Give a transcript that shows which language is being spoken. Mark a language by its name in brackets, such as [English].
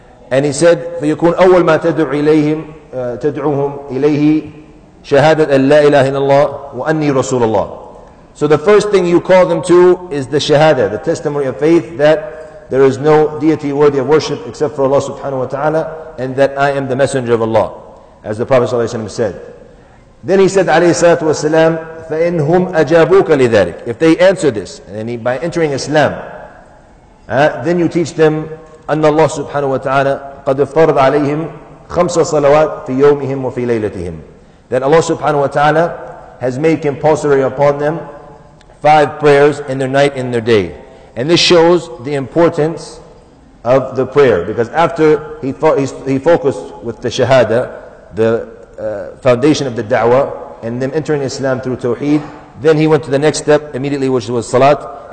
[English] And he said, [Arabic] "Fayakun awwal ma tad'u ilayhim tad'uhum ilayhi شهادة لا إله إلا الله وأني رسول الله." [English] So the first thing you call them to is the shahada, the testimony of faith that there is no deity worthy of worship except for Allah subhanahu wa ta'ala, and that I am the messenger of Allah, as the Prophet sallallahu alaihi wasallam said. Then he said [Arabic] عليه الصلاة والسلام فإنهم أجابوك لذلك. [English] If they answer this, and by entering Islam, then you teach them [Arabic] أن الله سبحانه وتعالى قد فرض عليهم خمس صلوات في يومهم وفي ليلتهم. [English] That Allah subhanahu wa ta'ala has made compulsory upon them five prayers in their night and their day. And this shows the importance of the prayer. Because after he focused with the shahada, the foundation of the da'wah, and them entering Islam through tawheed, then he went to the next step immediately, which was salat.